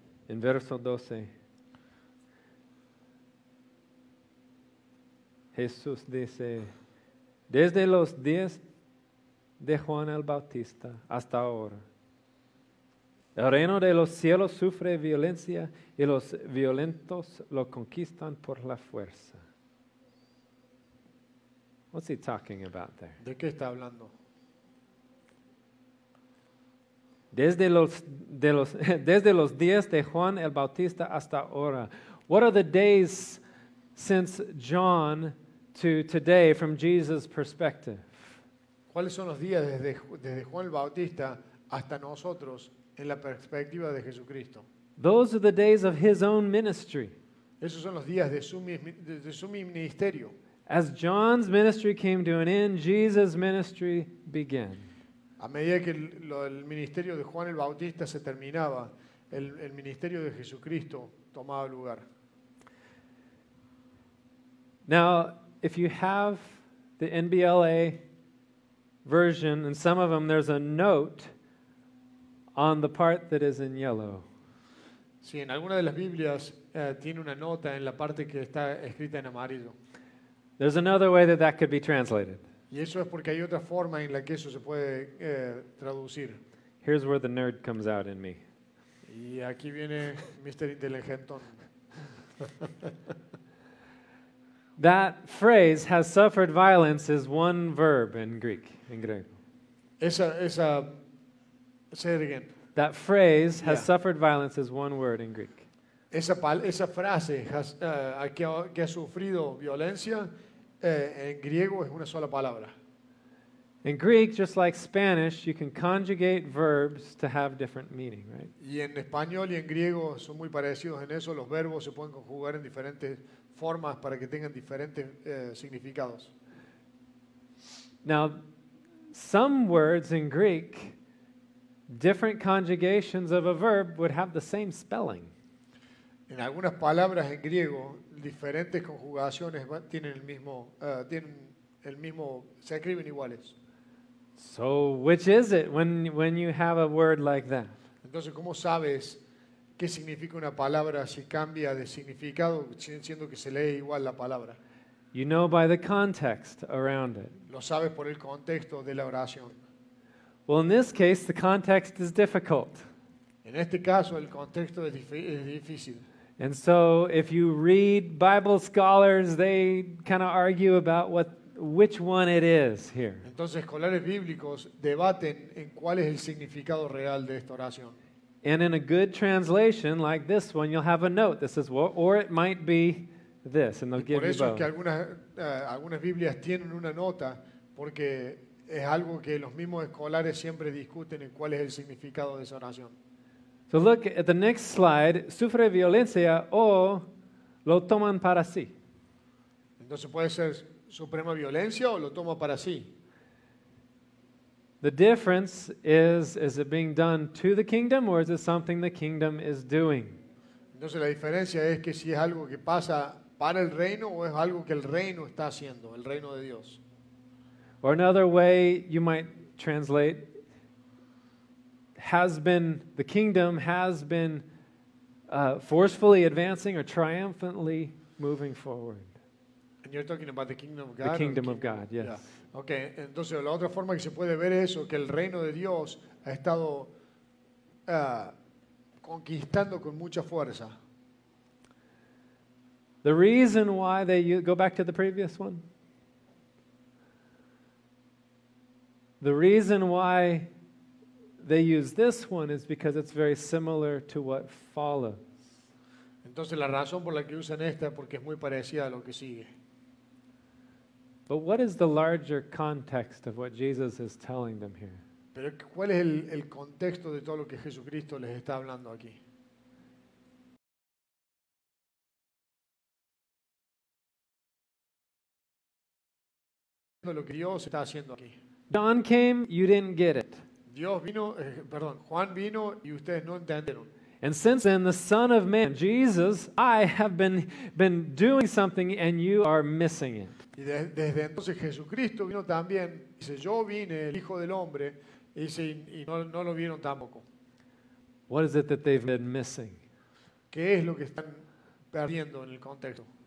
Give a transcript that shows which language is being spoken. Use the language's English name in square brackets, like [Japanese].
[Spanish] En verso 12, Jesús dice, desde los días de Juan el Bautista hasta ahora, el reino de los cielos sufre violencia y los violentos lo conquistan por la fuerza. [English] What's he talking about there? [Spanish] ¿De qué está hablando? Desde los días de Juan el Bautista hasta ahora. [English] What are the days since John to today from Jesus' perspective? [Spanish] ¿Cuáles son los días desde Juan el Bautista hasta nosotros en la perspectiva de Jesucristo? [English] Those are the days of his own ministry. [Spanish] Esos son los días de su ministerio. [English] As John's ministry came to an end, Jesus' ministry began. [Spanish] A medida que el ministerio de Juan el Bautista se terminaba, el ministerio de Jesucristo tomaba lugar. [English] Now, if you have the NBLA version, and some of them, there's a note on the part that is in yellow. [Spanish] Sí, en alguna de las Biblias tiene una nota en la parte que está escrita en amarillo. [English] There's another way that could be translated. [Spanish] Y eso es porque hay otra forma en la que eso se puede traducir. [English] Here's where the nerd comes out in me. [Spanish] Y aquí viene Mr. Inteligentón. [English] That phrase has suffered violence is one verb in Greek, in griego. Esa say it again. That phrase yeah. Has suffered violence is one word in Greek. [Spanish] Esa frase que ha sufrido violencia en griego es una sola palabra. [English] In Greek, just like Spanish, you can conjugate verbs to have different meaning, right? [Spanish] Y en español y en griego son muy parecidos en eso. Los verbos se pueden conjugar en diferentes formas para que tengan diferentes significados. [English] Now, some words in Greek, different conjugations of a verb would have the same spelling. [Spanish] En algunas palabras en griego, diferentes conjugaciones tienen el mismo, se escriben iguales. [English] So, which is it when you have a word like that? [Spanish] Entonces, ¿cómo sabes qué significa una palabra si cambia de significado siendo que se lee igual la palabra? [English] You know by the context around it. [Spanish] Lo sabes por el contexto de la oración. [English] Well, in this case, the context is difficult. [Spanish] En este caso, el contexto es difícil. [English] And so, if you read Bible scholars, they kind of argue about which one it is here. [Spanish] Entonces, escolares bíblicos debaten en cuál es el significado real de esta oración. [English] And in a good translation like this one, you'll have a note that says, well, or it might be this, and they'll give you both. [Spanish] Por eso es que algunas Biblias tienen una nota, porque es algo que los mismos escolares siempre discuten en cuál es el significado de esa oración. [English] So look at the next slide. [Spanish] Sufre violencia o lo toman para sí. Entonces puede ser suprema violencia o lo toma para sí. [English] The difference is it being done to the kingdom or is it something the kingdom is doing? [Spanish] Entonces la diferencia es que si es algo que pasa para el reino o es algo que el reino está haciendo, el reino de Dios. [English] Or another way you might translate has been, the kingdom has been forcefully advancing or triumphantly moving forward. And you're talking about the kingdom of God? The kingdom of God, yes. Yeah. [Spanish] Okay, entonces la otra forma que se puede ver eso, que el reino de Dios ha estado conquistando con mucha fuerza. [English] The reason why they, go back to the previous one. The reason why they use this one is because it's very similar to what follows. [Spanish] Entonces la razón por la que usan esta es porque es muy parecida a lo que sigue. [English] But what is the larger context of what Jesus is telling them here? [Spanish] Pero ¿cuál es el contexto de todo lo que Jesucristo les está hablando aquí? Lo que Dios está haciendo aquí. [English] John came, you didn't get it. [Spanish] Dios vino, perdón, Juan vino y ustedes no entendieron. [English] And since then, the Son of Man, Jesus, I have been doing something and you are missing it. [Spanish] Y desde entonces Jesucristo vino también. Dice, yo vine, el Hijo del Hombre, y no lo vieron tampoco. [English] What is it that they've been missing? [Spanish] ¿Qué es lo que están perdiendo en el contexto?